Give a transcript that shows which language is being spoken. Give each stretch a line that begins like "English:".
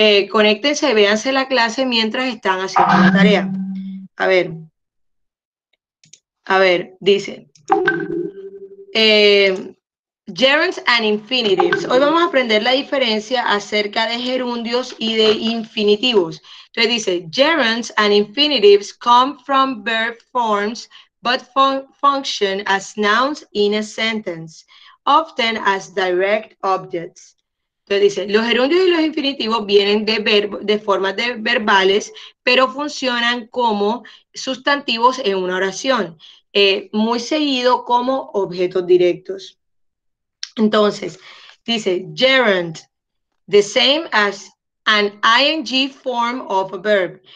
Spanish: Conéctense, véanse la clase mientras están haciendo la tarea. A ver, dice.
English: Gerunds and infinitives.
Spanish: Hoy vamos a aprender la diferencia acerca de gerundios y de infinitivos. Entonces dice,
English: gerunds and infinitives come from verb forms, but function as nouns in a sentence, often as direct objects.
Spanish: Entonces dice, los gerundios y los infinitivos vienen de formas verbales, pero funcionan como sustantivos en una oración, muy seguido como objetos directos. Entonces, dice,
English: gerund, the same as an ing form of a verb.